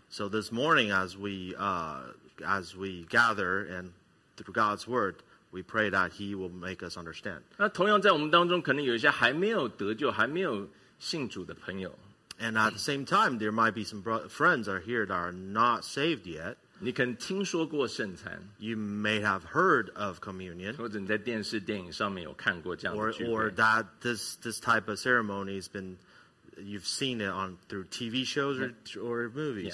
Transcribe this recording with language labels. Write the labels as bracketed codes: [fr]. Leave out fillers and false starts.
[en] So this morning as we gather and through God's word, we pray that he will make us understand. [zh] 那同样在我们当中可能有一些还没有得救，还没有信主的朋友。 [en] And at the same time, there might be some friends are here that are not saved yet. [zh] 你可能听说过圣餐, [en] you may have heard of communion, or that this type of ceremony has been, you've seen it on through TV shows or movies.